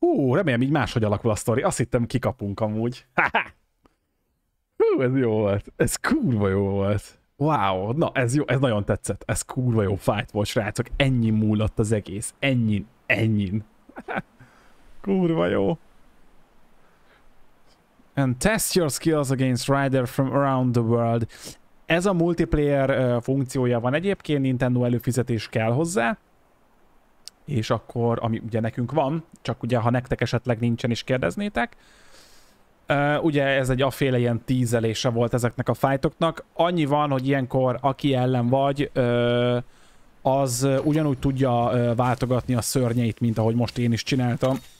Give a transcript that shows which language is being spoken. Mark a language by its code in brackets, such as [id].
[hu] Remélem így máshogy alakul a sztori. Azt hittem kikapunk amúgy. ez jó volt. Ez kurva jó volt. Wow, na ez jó, ez nagyon tetszett, ez kurva jó fight volt, srácok, ennyi múlott az egész, ennyin. Kurva jó. [en] And test your skills against Rider from around the world. [hu] Ez a multiplayer funkciója van egyébként, Nintendo előfizetés kell hozzá. És akkor, ami ugye nekünk van, csak ugye ha nektek esetleg nincsen is kérdeznétek. Ugye ez egy aféle ilyen tízelése volt ezeknek a fightoknak. Annyi van, hogy ilyenkor aki ellen vagy, az ugyanúgy tudja váltogatni a szörnyeit, mint ahogy most én is csináltam.